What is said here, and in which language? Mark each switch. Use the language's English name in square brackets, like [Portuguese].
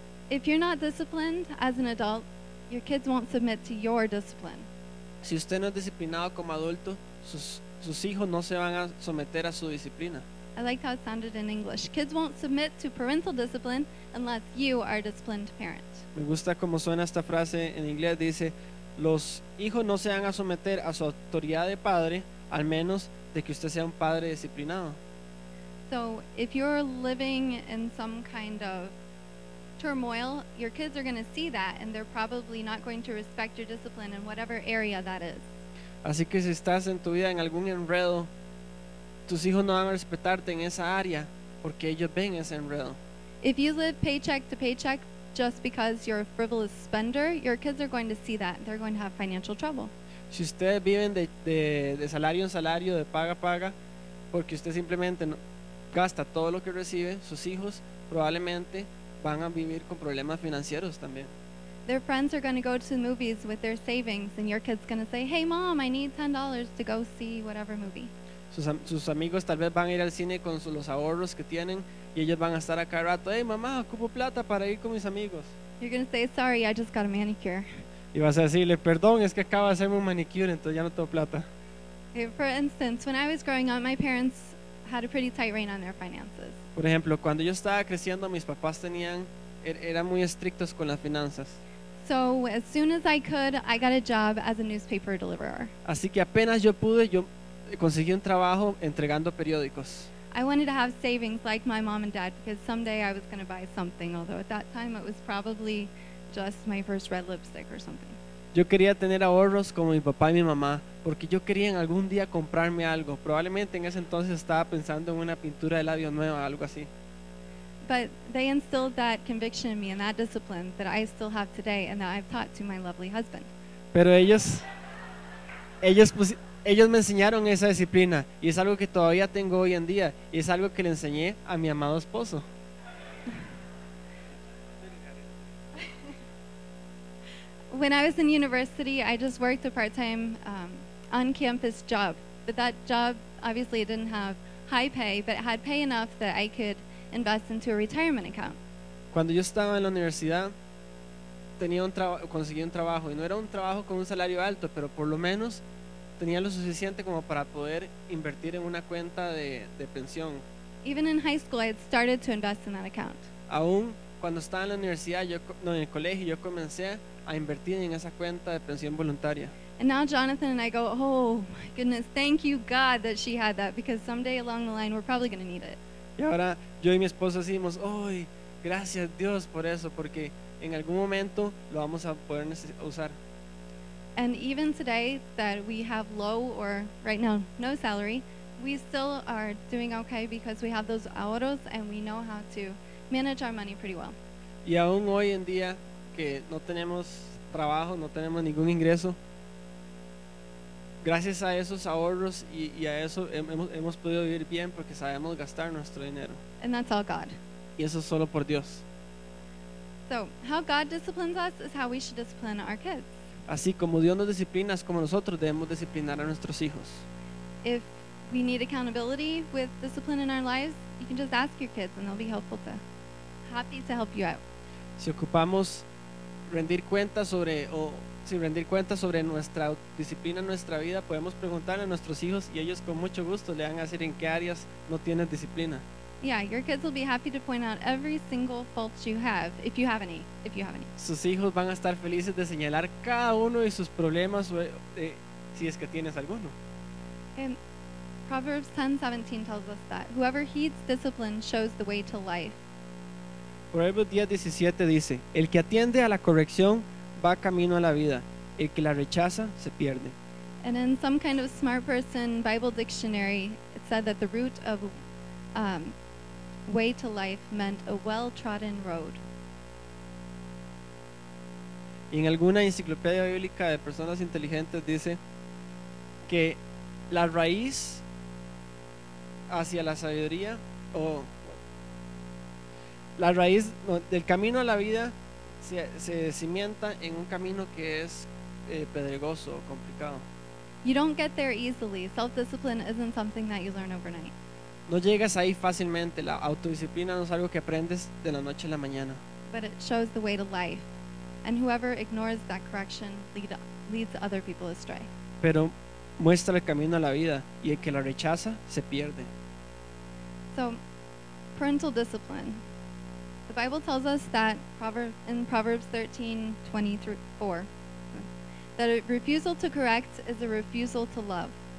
[English] If you're not disciplined as an adult, your kids won't submit to your discipline. [Spanish] Si usted no es disciplinado como adulto, sus hijos no se van a someter a su disciplina. [English] I liked how it sounded in English. Kids won't submit to parental discipline unless you are a disciplined parent. [Spanish] Me gusta cómo suena esta frase en inglés. Dice, los hijos no se van a someter a su autoridad de padre al menos de que usted sea un padre disciplinado. [English] So if you're living in some kind of turmoil, your kids are going to see that and they're probably not going to respect your discipline in whatever area that is. [Spanish] Así que si estás en tu vida en algún enredo, tus hijos no van a respetarte en esa área porque ellos ven ese enredo. [English] If you live paycheck to paycheck just because you're a frivolous spender, your kids are going to see that. They're going to have financial trouble. [Spanish] Si ustedes viven de salario en salario, de paga a paga, porque usted simplemente gasta todo lo que recibe, sus hijos probablemente van a vivir con problemas financieros también. [English] Their friends are going to go to the movies with their savings and your kid's going to say, hey mom, I need $10 to go see whatever movie. [Spanish] Sus amigos tal vez van a ir al cine con los ahorros que tienen y ellos van a estar a cada rato, hey mamá, ocupo plata para ir con mis amigos. [English] You're going to say, sorry, I just got a manicure. [Spanish] Y vas a decirle, perdón, es que acabo de hacerme un manicure, entonces ya no tengo plata. [English] For instance, when I was growing up, my parents had a pretty tight rein on their finances. [Spanish] Por ejemplo, cuando yo estaba creciendo, mis papás eran muy estrictos con las finanzas. [English] So as soon as I could, I got a job as a newspaper deliverer. [Spanish] Así que apenas yo pude, yo conseguí un trabajo entregando periódicos. [English] I wanted to have savings like my mom and dad because someday I was going to buy something, although at that time it was probably just my first red lipstick or something. [Spanish] Yo quería tener ahorros como mi papá y mi mamá porque yo quería en algún día comprarme algo. Probablemente en ese entonces estaba pensando en una pintura de labios nueva, algo así. [English] But they instilled that conviction in me and that discipline that I still have today and that I've taught to my lovely husband. [Spanish] Pero ellos me enseñaron esa disciplina y es algo que todavía tengo hoy en día y es algo que le enseñé a mi amado esposo. [English] When I was in university, I just worked a part-time on-campus job, but that job obviously didn't have high pay, but it had pay enough that I could invest into a retirement account. [Spanish] Cuando yo estaba en la universidad, conseguí un trabajo y no era un trabajo con un salario alto, pero por lo menos tenía lo suficiente como para poder invertir en una cuenta de pensión. [English] Even in high school, I had started to invest in that account. [Spanish] Aún cuando estaba en la universidad, en el colegio, yo comencé a invertir en esa cuenta de pensión voluntaria. [English] And now Jonathan and I go, oh my goodness, thank you God that she had that, because someday along the line we're probably going to need it. [Spanish] Y ahora yo y mi esposo decimos, ¡ay, gracias Dios por eso, porque en algún momento lo vamos a poder usar. [English] And even today that we have low or right now no salary, we still are doing okay because we have those ahorros and we know how to manage our money pretty well. [Spanish] Y aún hoy en día que no tenemos trabajo, no tenemos ningún ingreso, gracias a esos ahorros y a eso hemos podido vivir bien porque sabemos gastar nuestro dinero. [English] And that's all God. [Spanish] Y eso es solo por Dios. [English] So, how God disciplines us is how we should discipline our kids. [Spanish] Así como Dios nos disciplina, es como nosotros debemos disciplinar a nuestros hijos. [English] If we need accountability with discipline in our lives, you can just ask your kids and they'll be helpful to, happy to help you out. [Spanish] Si ocupamos rendir cuentas sobre o sin rendir cuentas sobre nuestra disciplina en nuestra vida, podemos preguntarle a nuestros hijos y ellos con mucho gusto le van a decir en qué áreas no tienes disciplina. [English] Yeah, your kids will be happy to point out every single fault you have, if you have any, if you have any. [Spanish] Sus hijos van a estar felices de señalar cada uno de sus problemas si es que tienes alguno. [English] And Proverbs 10:17 tells us that whoever heeds discipline shows the way to life. [Spanish] Proverbios 10:17 dice, el que atiende a la corrección va camino a la vida, el que la rechaza se pierde. [English] And in some kind of smart person Bible dictionary, it said that the root of way to life meant a well-trodden road. [Spanish] En alguna enciclopedia bíblica de personas inteligentes dice que la raíz hacia la sabiduría o la raíz del camino a la vida se cimienta en un camino que es pedregoso o complicado. [English] You don't get there easily. Self-discipline isn't something that you learn overnight. [Spanish] No llegas ahí fácilmente. La autodisciplina no es algo que aprendes de la noche a la mañana. [English] But it shows the way to life, and whoever ignores that correction leads other people astray. [Spanish] Pero muestra el camino a la vida, y el que la rechaza se pierde. [English] So, parental discipline. The Bible tells us that in Proverbs 13:20-24, that a refusal to correct is a refusal to love.